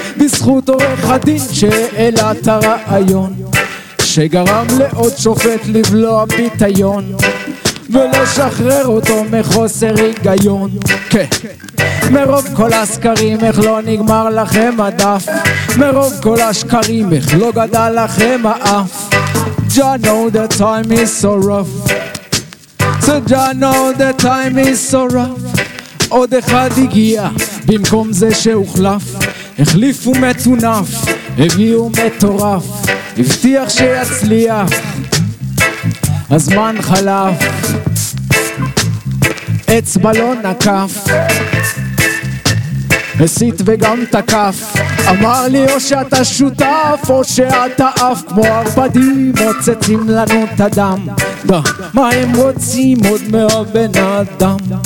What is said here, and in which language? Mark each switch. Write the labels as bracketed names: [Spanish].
[Hebrew] בזכות עורך הדין שאלה את הרעיון, שגרם לעוד שופט לבלוע ביטיון ולשחרר אותו מחוסר היגיון. מרוב כל הסקרים, איך לא נגמר לכם הדף? מרוב כל השקרים, איך לא גדל לכם האף? [English] Jah know the time is so rough. [Hebrew] עוד אחד הגיע במקום זה שהוחלף. החליפו מתונף, הביאו מטורף, הבטיח שיצליח, הזמן חלף, עץ בלון נקף, הסית וגם תקף, אמר לי או שאתה שותף או שאתה אף, כמו ערפדים מוצאים לנו את הדם, מה הם רוצים עוד מהבן אדם,